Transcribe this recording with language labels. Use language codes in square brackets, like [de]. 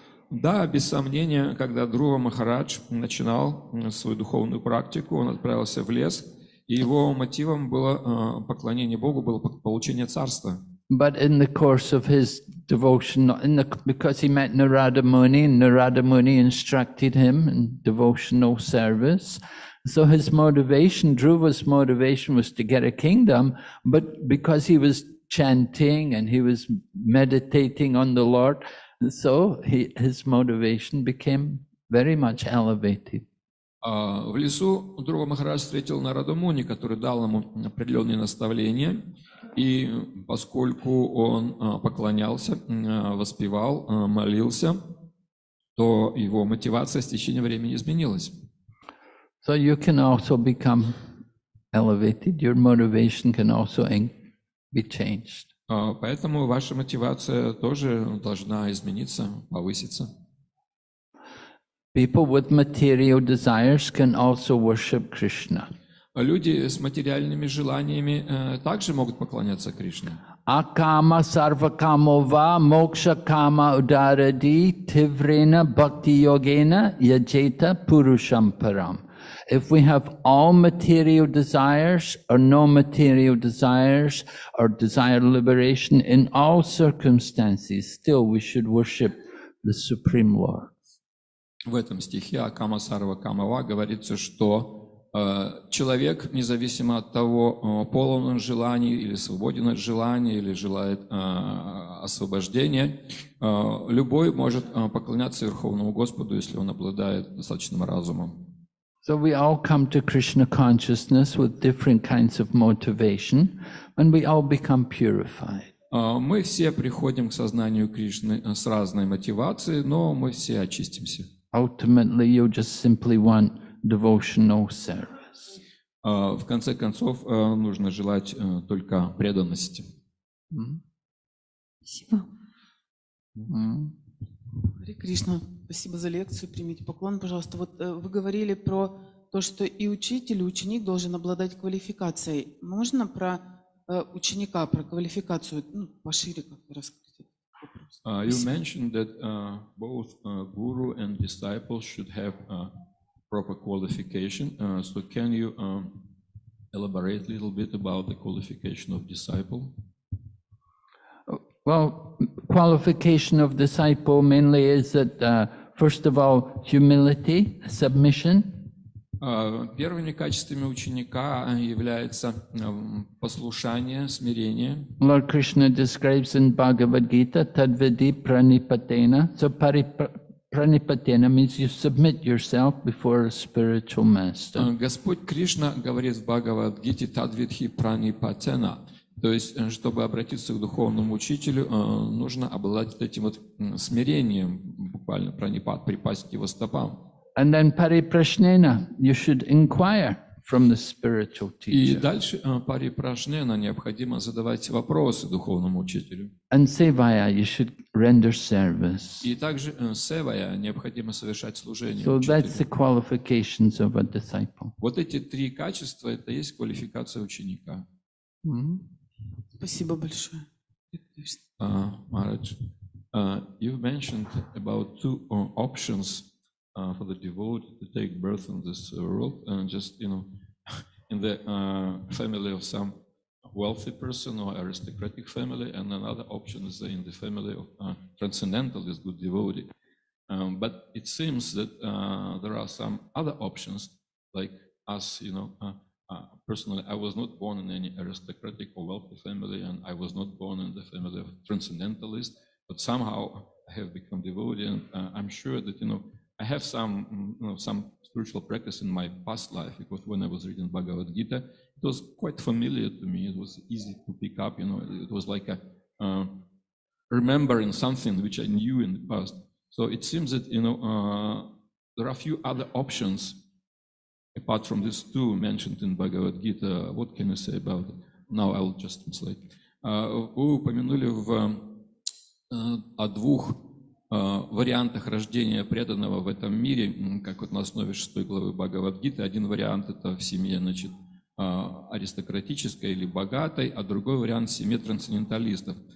[ru] Да, без сомнения, когда Друва Махарадж начинал свою духовную практику, он отправился в лес, и его мотивом было поклонение Богу, было получение царства. [en] But in the course of his devotion, because he met Narada Muni, and Narada Muni instructed him in devotional service. So his motivation, Dhruva's motivation, was to get a kingdom, but because he was chanting and he was meditating on the Lord, so his motivation became very much elevated. [ru] В лесу Друва Махарадж встретил Нараду Муни, который дал ему определенные наставления. И поскольку он поклонялся, воспевал, молился, то его мотивация с течением времени изменилась. [en] So you can also become elevated, your motivation can also be changed. [ru] Поэтому ваша мотивация тоже должна измениться, повыситься. [en] People with material desires can also worship Krishna. [ru] Люди с материальными желаниями также могут поклоняться Кришне. [sa] Акама сарвакамова мокша кама ударади тиврена бхакти йогена яджета пурушам парам. [en] If we have all material desires or no material desires or desire liberation in all circumstances, still we should worship the Supreme Lord. [ru] В этом стихе [sa] Акама сарвакамова [ru] говорится, что человек, независимо от того, полон он желаний или свободен от желаний, или желает освобождения, любой может поклоняться Верховному Господу, если он обладает достаточным разумом. [en] So we all come to Krishna consciousness with different kinds of motivation, and we all become purified. [ru] Мы все приходим к сознанию Кришны с разной мотивацией, но мы все очистимся. [en] Ultimately, you just simply want devotional service. [ru] В конце концов, нужно желать только преданности. Спасибо. Хари Кришна, спасибо за лекцию. Примите поклон, пожалуйста. Вот вы говорили про то, что и учитель, и ученик должен обладать квалификацией. Можно про ученика, про квалификацию, ну, пошире как-то раскрыть этот вопрос? [en] You mentioned that both guru and disciple should have proper qualification. So can you elaborate a little bit about the qualification of disciple? Well, qualification of disciple mainly is that, first of all, humility, submission. [ru] Первыми качествами ученика является послушание, смирение. [en] Lord Krishna describes in Bhagavad Gita [sa] tadvidi pranipatena. [en] So pranipatena means you submit yourself before a spiritual master. [ru] Господь Кришна говорит в Бхагавад Гите [sa] тадвидхи пранипатена. [ru] То есть, чтобы обратиться к духовному учителю, нужно обладать этим вот смирением, буквально пранипат, припасть к его стопам. [en] And then парипрашнена, you should inquire from the spiritual teacher. [ru] И дальше парипрашнена, необходимо задавать вопросы духовному учителю. [en] And севая, you should render service. [ru] И также севая, необходимо совершать служение учителю. [en] So that's the qualifications of a disciple. [ru] Вот эти три качества, это есть квалификация ученика. Mm-hmm. Спасибо большое. [en] Марадж, you've mentioned about two options for the devotee to take birth in this world, and just, you know, in the family of some wealthy person or aristocratic family, and another option is in the family of transcendentalist good devotee. But it seems that there are some other options, like us, you know. Personally, I was not born in any aristocratic or wealthy family, and I was not born in the family of transcendentalist, but somehow I have become devotee, and I'm sure that, you know, I have some, you know, some spiritual practice in my past life, because when I was reading Bhagavad Gita, it was quite familiar to me. It was easy to pick up, you know. It was like a remembering something which I knew in the past. So it seems that, you know, there are a few other options apart from these two mentioned in Bhagavad Gita. What can you say about it? Now I'll just translate. [ru] Вы упомянули в о двух вариантах рождения преданного в этом мире, как вот на основе шестой главы Бхагавад-гиты. Один вариант — это в семье, значит, аристократической или богатой, а другой вариант — в семье трансценденталистов.